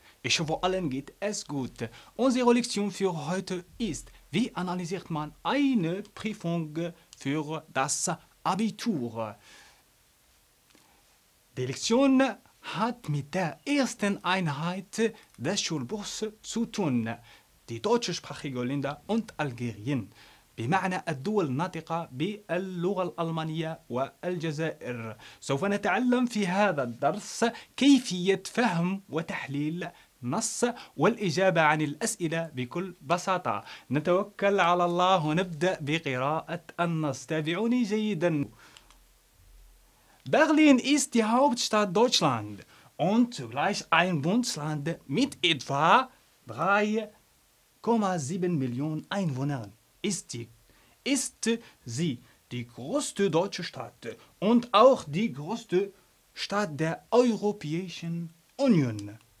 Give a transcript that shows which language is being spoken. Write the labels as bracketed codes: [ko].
[de] Ich hoffe, allen geht es gut. Unsere Lektion für heute ist, wie analysiert man eine Prüfung für das Abitur? Die Lektion hat mit der ersten Einheit des Schulbuchs zu tun. Die deutschsprachige Länder und Algerien. [ar] بمعنى الدول الناطقة باللغة الألمانية والجزائر. سوف نتعلم في هذا الدرس كيفية فهم وتحليل نص والإجابة عن الأسئلة بكل بساطة. نتوكل على الله ونبدأ بقراءة النص. تابعوني جيدا. [de] Berlin ist die Hauptstadt Deutschland und zugleich ein Bundesland mit etwa 3,7 Millionen Einwohnern. Ist sie die größte deutsche Stadt und auch die größte Stadt der Europäischen Union.